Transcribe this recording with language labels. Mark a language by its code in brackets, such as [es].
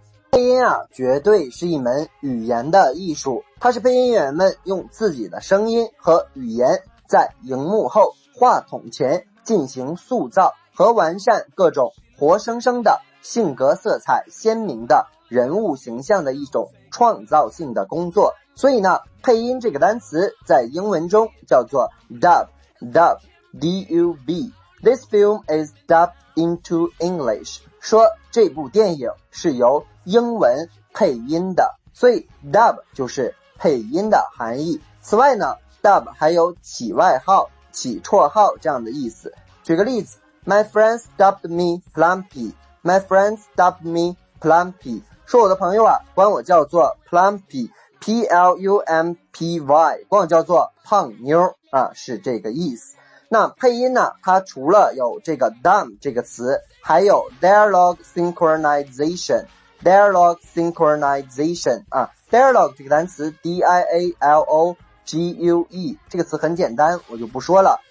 [zh] 配音啊，绝对是一门语言的艺术，它是配音员们用自己的声音和语言在荧幕后话筒前进行塑造和完善各种活生生的性格色彩鲜明的人物形象的一种创造性的工作。所以呢，配音这个单词在英文中叫做 dub, D-U-B. [en] This film is dubbed into English. [zh] 说这部电影是由英文配音的，所以 dub 就是配音的含义。此外呢，Dub 还有起外号、起绰号这样的意思。举个例子， [en] My friends dubbed me Plumpy. My friends dubbed me Plumpy. [zh] 说我的朋友啊，管我叫做 Plumpy, P-L-U-M-P-Y, 管我叫做胖妞啊，是这个意思。那配音呢，它除了有这个 dumb 这个词，还有 dialogue synchronization, dialogue synchronization, 啊 ,dialogue 这个单词 D-I-A-L-O-G-U-E 这个词很简单，我就不说了。